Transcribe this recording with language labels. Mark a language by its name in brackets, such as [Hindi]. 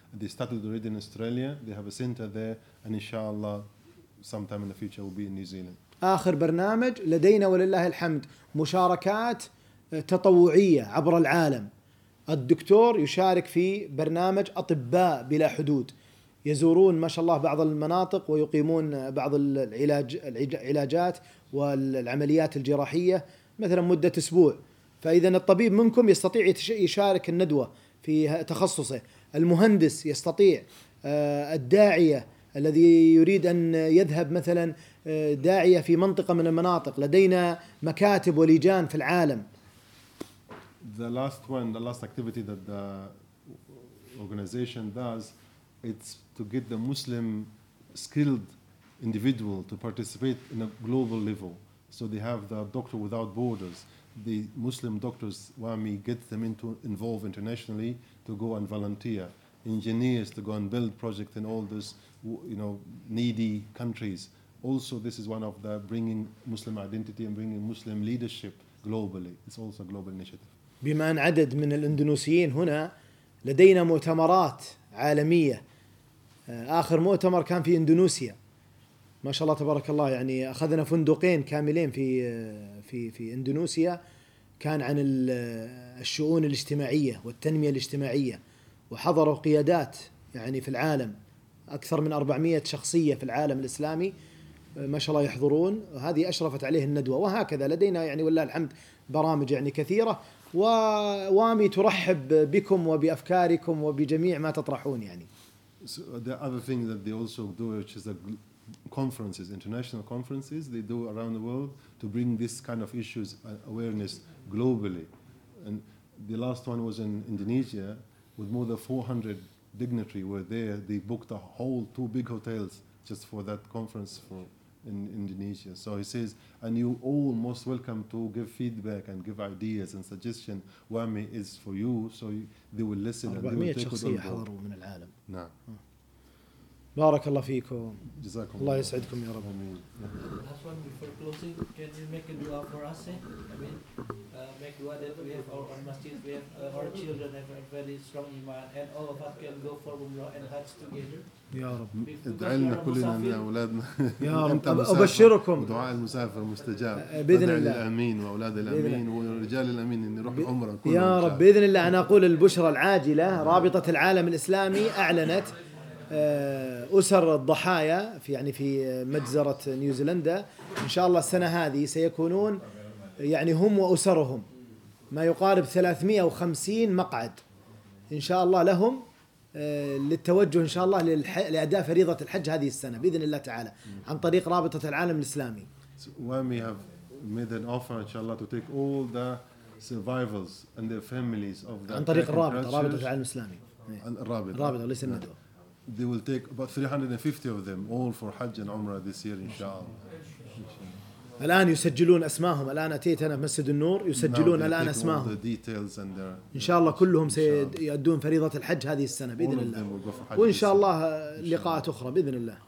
[English] They started already in Australia. They have a center there, and inshallah, sometime in the future will be in New Zealand. [Arabic] آخر برنامج لدينا ولله الحمد مشاركات تطوعية عبر العالم. الدكتور يشارك في برنامج أطباء بلا حدود. يزورون ما شاء الله بعض المناطق ويقيمون بعض العلاجات والعمليات الجراحية مثلا مدة أسبوع. فإذا الطبيب منكم يستطيع يشارك الندوة في تخصصه المهندس يستطيع الداعية الذي يريد أن يذهب مثلا داعية في منطقة من المناطق لدينا مكاتب ولجان في العالم [English] the last one, the last activity that the organization does, it's to get the Muslim skilled individual to participate in a global level. So they have the Doctor Without Borders. The Muslim doctors, WAMI, get them into involved internationally to go and volunteer. Engineers to go and build projects in all those, you know, needy countries. Also, this is one of the bringing Muslim identity and bringing Muslim leadership globally. It's also a global initiative. [Arabic] بما أن عدد من الإندونيسيين هنا لدينا مؤتمرات عالمية. آخر مؤتمر كان في إندونيسيا. ما شاء الله تبارك الله. يعني أخذنا فندقين كاملين في في في إندونيسيا. كان عن الشؤون الاجتماعية والتنمية الاجتماعية. وحضروا قيادات يعني في العالم، أكثر من 400 شخصية في العالم الإسلامي ما شاء الله يحضرون، وهذه أشرفت عليه الندوة. وهكذا لدينا يعني ولله الحمد برامج يعني كثيرة، ووامي ترحب بكم وبأفكاركم وبجميع ما تطرحون. يعني [English] so the other thing that they also do, which is the conferences, international conferences they do around the world to bring this kind of issues awareness globally. And the last one was in Indonesia with more than 400 dignitaries were there. They booked a whole two big hotels just for that conference for in Indonesia. So he says, and you all most welcome to give feedback and give ideas and suggestion. WAMI is for you, so they will listen and they will take it on board. No. Huh. [Arabic] بارك الله فيكم. جزاكم الله يسعدكم يا رب. آمين. [English] Last one before closing, can you make a dua for us? Make dua that we have our masjid, we have our children have a very strong iman, and all of us can go for umrah and hajj together. [Arabic] يا رب. ادعيلنا كلنا يا أولادنا. يا رب. أبشركم. دعاء المسافر مستجاب. بإذن الله. الأمين وأولاد الأمين ورجال الأمين إن يروح عمرة. يا رب بإذن الله. أنا أقول البشرة العاجلة، رابطة العالم الإسلامي أعلنت أسر الضحايا في يعني في مجزرة نيوزيلندا إن شاء الله السنة هذه سيكونون يعني هم وأسرهم ما يقارب 350 مقعد إن شاء الله لهم للتوجه إن شاء الله لأداء فريضة الحج هذه السنة بإذن الله تعالى عن طريق رابطة العالم الإسلامي. [English] WAMI have made an offer [Arabic] إن شاء الله [English] to take all the survivors and their families of the [Arabic] عن طريق الرابطة رابطة العالم الإسلامي الرابطة ليس الندوة. [English] They will take about 350 of them all for Hajj and Umrah this year, inshallah. [Arabic] الآن يسجلون أسماءهم. الآن أتيت أنا مسجد النور يسجلون الآن أسماءهم. [English] The details and their. [Arabic] إن شاء الله كلهم سيؤدون فريضة الحج هذه السنة بإذن الله. وإن شاء الله لقاءات أخرى بإذن الله.